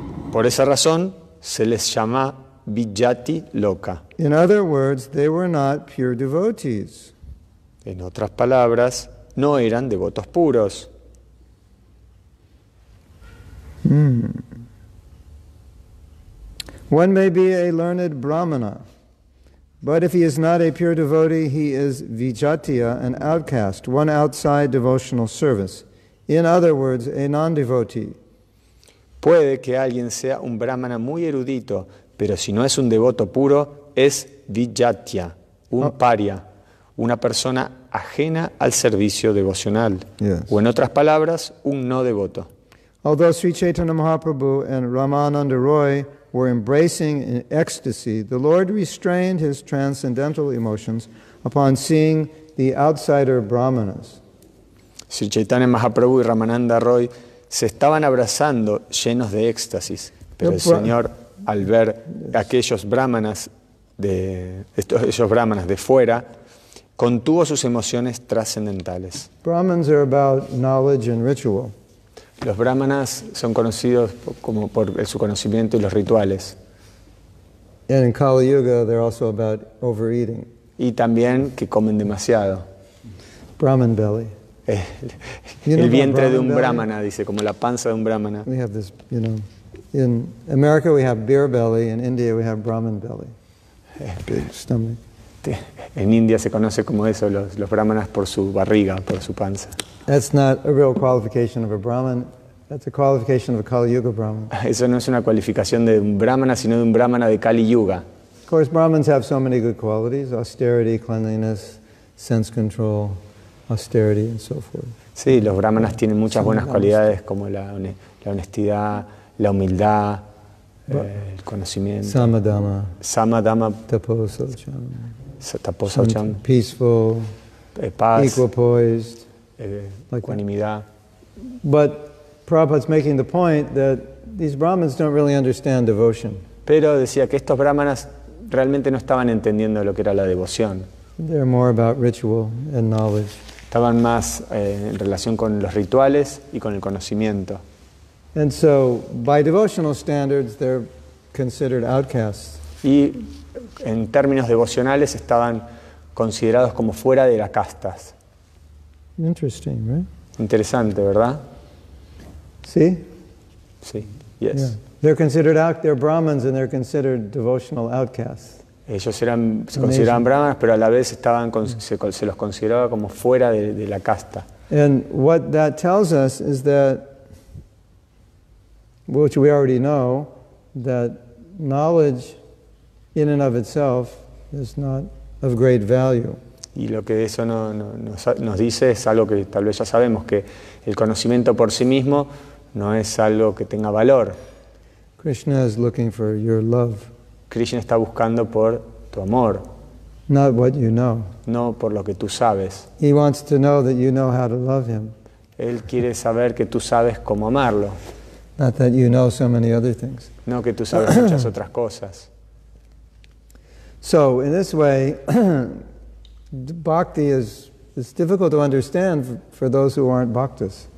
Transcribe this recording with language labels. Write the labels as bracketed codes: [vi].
[es] Por esa razón, se les llama Vijati Loka. [en] In other words, they were not pure devotees. [es] En otras palabras, no eran devotos puros. Hmm. [en] One may be a learned brāhmaṇa, but if he is not a pure devotee, he is vijatiya, an outcast, one outside devotional service. In other words, a non-devotee. [es] Puede que alguien sea un brahmana muy erudito, pero si no es un devoto puro, es vijatiya, un paria, una persona ajena al servicio devocional. [en] Yes. [es] O en otras palabras, un no devoto. [en] Although Sri Caitanya Mahāprabhu and Rāmānanda Rāya were embracing in ecstasy, the Lord restrained his transcendental emotions upon seeing the outsider brahmanas. [es] Sri Caitanya Mahaprabhu y Ramananda Roy se estaban abrazando llenos de éxtasis, pero el Señor, al ver aquellos brahmanas de fuera, contuvo sus emociones trascendentales. [en] Brahmins are about knowledge and ritual. [es] Los brahmanas son conocidos como por su conocimiento y los rituales. [en] And in Kali Yuga, they're also about overeating. [es] Y también que comen demasiado. [en] Brahmin belly. [es] El vientre de un brahmana, dice, como la panza de un brahmana. [en] We have this, you know, in America we have beer belly, in India we have Brahmin belly. Big stomach. [es] En India se conoce como eso, los brahmanas por su barriga, por su panza. [en] That's not a real qualification of a brahman. That's a qualification of a Kali Yuga brahman. [es] Eso no es una cualificación de un brahmana, sino de un brahmana de Kali Yuga. [en] Of course, brahmins have so many good qualities: austerity, cleanliness, sense control, austerity, and so forth. [es] Sí, los brahmanas tienen muchas buenas cualidades como la honestidad, la humildad, el conocimiento. Samadama. Samadama. Taposalcham. Taposalcham. [en] Peaceful. [es] Paz. [en] Equipoised. [es] Equanimidad. [en] But Prabhupada's making the point that these brahmins don't really understand devotion. [es] Pero decía que estos brahmanas realmente no estaban entendiendo lo que era la devoción. [en] They're more about ritual and knowledge. [es] Estaban más en relación con los rituales y con el conocimiento. [en] And so, by devotional standards, they're considered outcasts. [es] Y en términos devocionales estaban considerados como fuera de las castas. [en] Interesting, right? [es] Interesante, ¿verdad? Sí. [en] Sí. Yes. Yeah. They're brahmins and they're considered devotional outcasts. [es] Ellos eran, se consideraban brahmanas, pero a la vez estaban se los consideraba como fuera de la casta. [en] And what that tells us is that, which we already know, that knowledge in and of itself is not of great value. [es] Y lo que eso nos dice es algo que tal vez ya sabemos, que el conocimiento por sí mismo no es algo que tenga valor. [en] Krishna is looking for your love. [es] Krishna está buscando por tu amor. [en] Not what you know. [es] No por lo que tú sabes. [en] He wants to know that you know how to love him. [es] Él quiere saber que tú sabes cómo amarlo. [en] Not that you know so many other things. [es] No que tú sabes muchas otras cosas. [en] So, in this way, bhakti is difficult to understand for those who aren't bhaktas.